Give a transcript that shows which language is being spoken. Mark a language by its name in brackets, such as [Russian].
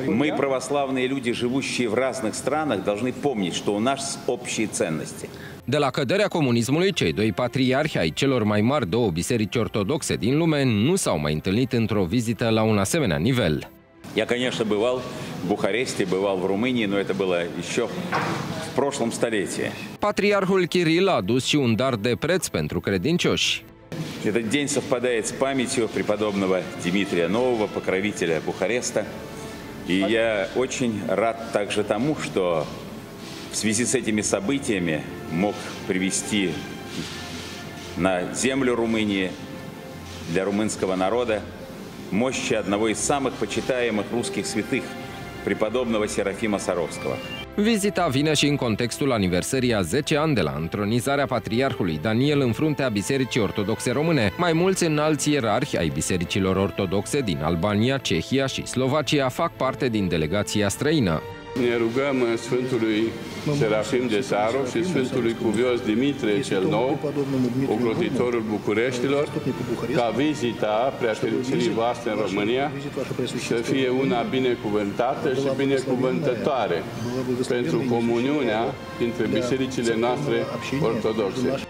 [Russian] Мы православные люди, живущие в разных странах, должны помнить, что у нас общие ценности. [Romanian] De la căderea comunismului, cei doi patriarhi ai celor mai mari două biserici ortodoxe din lume nu s-au mai întâlnit într-o vizită la un asemenea nivel. [Russian] Я, конечно, бывал в Бухаресте, бывал в Румынии, но это было еще в прошлом столетии. [Romanian] Патриархул Кирилл a dus și un dar de preț pentru credincioși. [Russian] Этот день совпадает с памятью преподобного Дмитрия Нового, покровителя Бухареста. И я очень рад также тому, что в связи с этими событиями мог привести на землю Румынии для румынского народа мощи одного из самых почитаемых русских святых, преподобного Серафима Саровского. [Romanian] Vizita vine și în contextul aniversării a 10 ani de la întronizarea Patriarhului Daniel în fruntea Bisericii Ortodoxe Române. Mai mulți înalți ierarhi ai bisericilor ortodoxe din Albania, Cehia și Slovacia fac parte din delegația străină. Ne rugăm Sfântului Serafim de Sarov și Sfântului Cuvios Dimitrie cel Nou, ocrotitorul Bucureștilor, ca vizita preafericirii voastre în România să fie una binecuvântată și binecuvântătoare pentru comuniunea dintre bisericile noastre ortodoxe.